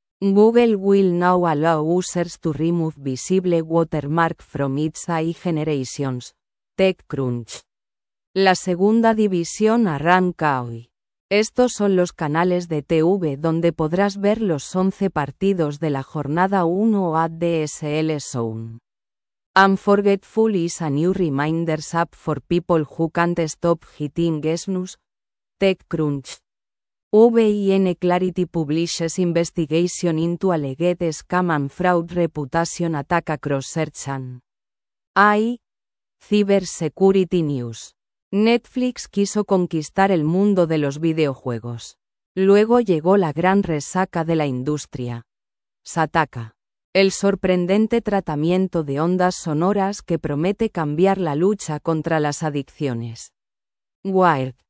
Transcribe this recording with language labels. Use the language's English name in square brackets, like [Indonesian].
[English] Google will now allow users to remove visible watermark from its AI generations. TechCrunch. [Spanish] La segunda división arranca hoy. Estos son los canales de TV donde podrás ver los 11 partidos de la jornada 1 ADSL Zone. [English] Unforgetful is a new reminders app for people who can't stop hitting snooze. TechCrunch. VIN Clarity publishes investigation into alleged scam and fraud reputation attack across search and AI. Cybersecurity News. [Spanish] Netflix quiso conquistar el mundo de los videojuegos. Luego llegó la gran resaca de la industria. Sataka. El sorprendente tratamiento de ondas sonoras que promete cambiar la lucha contra las adicciones. Wired.